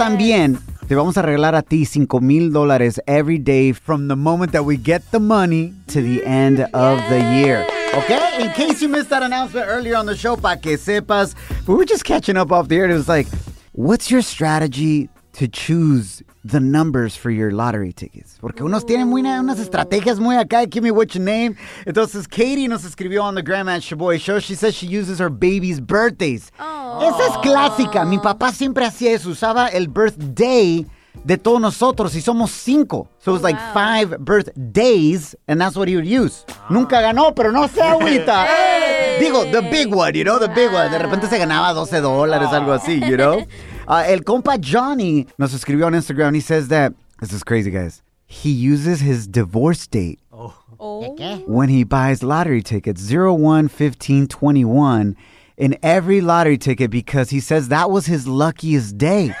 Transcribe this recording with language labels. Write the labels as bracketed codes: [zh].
[es] también te vamos a regalar a ti [en] $5,000 every day from the moment that we get the money to the end of the year. Okay? In case you missed that announcement earlier on the show, [es] pa' que sepas, [en] we were just catching up off the air. It was like, what's your strategy to choose the numbers for your lottery tickets? [es] Porque unos tienen muy, unas estrategias muy acá. [en] Give me what your name. [es] Entonces, Katie nos escribió [en] on the gram at Shaboy Show. She says she uses her baby's birthdays. Aww. [es] Esa es clásica. Mi papá siempre hacía eso. Usaba el birthday de todos nosotros y somos 5. [en] So it's like 5 birthdays, and that's what he would use. [es] Nunca ganó, pero no sé ahorita. Digo, [en] the big one, you know, the big one. [es] De repente se ganaba $12, algo así, [en] you know. [es] El compa Johnny nos escribió [en] on Instagram. He says that, this is crazy, guys, he uses his divorce date when he buys lottery tickets, 01-15-21, in every lottery ticket because he says that was his luckiest day.